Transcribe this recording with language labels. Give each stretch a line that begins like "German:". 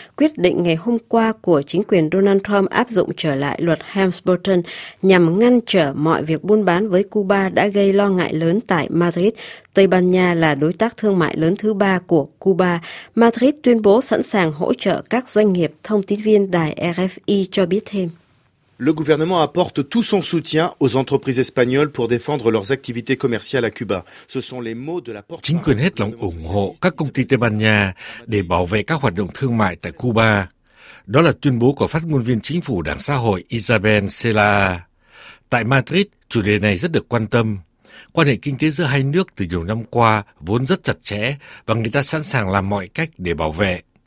Vietnamese: Quyết định ngày hôm qua của chính quyền Donald Trump áp dụng trở lại luật Helms-Burton nhằm ngăn trở mọi việc buôn bán với Cuba đã gây lo ngại lớn tại Madrid. Tây Ban Nha là đối tác thương mại lớn thứ 3 của Cuba. Madrid tuyên bố sẵn sàng hỗ trợ các doanh nghiệp, thông tin viên đài RFI cho biết thêm.
French: Le gouvernement apporte tout son soutien aux entreprises espagnoles pour défendre leurs activités commerciales à Cuba. Ce sont les mots de la porte.
Vietnamese: Chính quyền hết lòng ủng hộ các công ty Tây Ban Nha để bảo vệ các hoạt động thương mại tại Cuba. Đó là tuyên bố của phát ngôn viên chính phủ Đảng Xã hội Isabel Cela. Tại Madrid, chủ đề này rất được quan tâm. Quan hệ kinh tế giữa hai nước từ nhiều năm qua vốn rất chặt chẽ và người ta sẵn sàng làm mọi cách để bảo vệ.